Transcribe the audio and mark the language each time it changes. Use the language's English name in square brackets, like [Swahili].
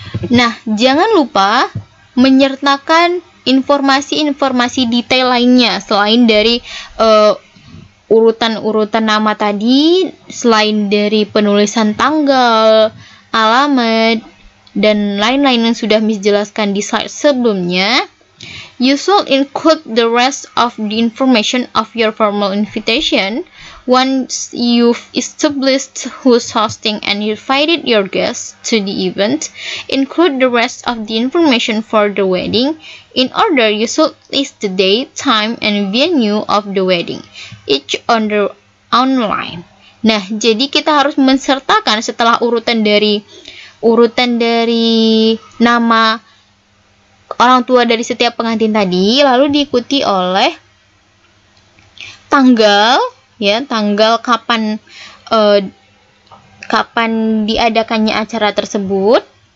[Indonesian] Nah, jangan lupa menyertakan informasi-informasi detail lainnya selain dari urutan-urutan nama tadi, selain dari penulisan tanggal, alamat, dan lain-lain yang sudah Miss jelaskan di slide sebelumnya. [English] You should include the rest of the information of your formal invitation once you've established who's hosting and invited your guests to the event. Include the rest of the information for the wedding. In order, you should list the date, time, and venue of the wedding, each on the online. [Indonesian] Nah, jadi kita harus mensertakan setelah urutan dari nama orang tua dari setiap pengantin tadi, lalu diikuti oleh tanggal kapan diadakannya acara tersebut,